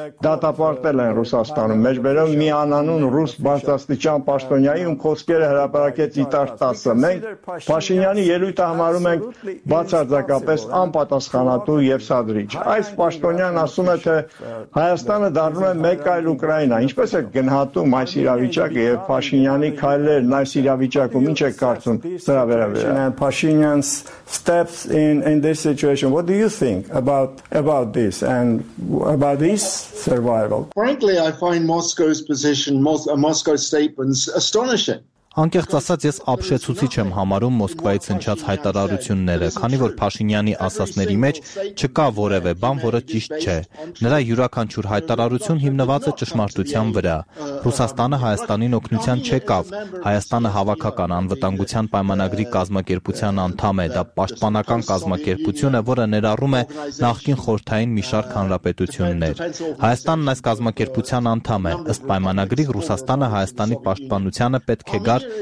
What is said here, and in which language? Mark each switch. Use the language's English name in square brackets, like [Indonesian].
[Armenian] դատապարտել են Ռուսաստանում, մեջբերով մի անանուն ռուս բարձրաստիճան պաշտոնյայի ու Գերը հրապարակեց իտար 10-ը։ Մենք Փաշինյանի ելույթը համարում ենք բացարձակապես անպատասխանատու եւ սադրիչ։ Այս պաշտոնյան ասում է, թե Հայաստանը դառնում է մեկ այլ Ուկրաինա։ Ինչպես է գնահատում այս իրավիճակը եւ Փաշինյանի քայլերն այս իրավիճակում, ինչ է կարծում սրա վերաբերյալ? [English] Փաշինյանս steps in this situation, what do you think about this and about this survival? Frankly, I find Moscow's position, Moscow's statements astonishing. [Armenian] Անկեղծ ասած, ես ապշեցուցիչ եմ համարում Մոսկվայից հնչած հայտարարությունները, քանի որ Փաշինյանի ասացների մեջ չկա որևէ բան, որը ճիշտ չէ։ Նրա յուրաքանչյուր հայտարարություն հիմնված է ճշմարտության վրա։ Ռուսաստանը Հայաստանին օգնության չեկավ, Հայաստանը հավաքական անվտանգության պայմանագրի կազմակերպության անդամ է, դա պաշտպանական կազմակերպություն է, որը ներառում է նախկին խորհրդային մի շարք հանրապետություններ։ Հայաստանն այս կազմակերպության անդամ է, ըստ պայմանագրի Ռուսաստանը Հայաստանի պաշտպանությանը պետք է գար